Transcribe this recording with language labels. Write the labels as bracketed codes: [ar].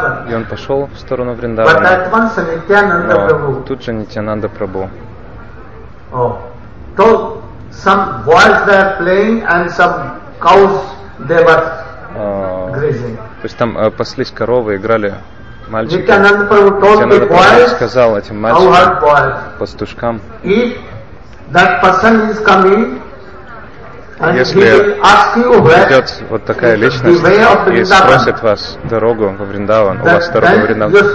[ru] И он пошел в сторону Вриндавана. Но тут же Нитьянанда Прабху. [en] So some boys they are playing and some cows they were grazing. [ru] То есть там паслись коровы, играли мальчики. [en] Nityananda Prabhu told the boys, [ru] сказал этим мальчикам, пастушкам, [en] if that person is coming and [ru] если [en] he will ask you where, [ru] идет вот такая личность и спросит вас дорогу во Вриндаван, у вас дорогу во Вриндаван,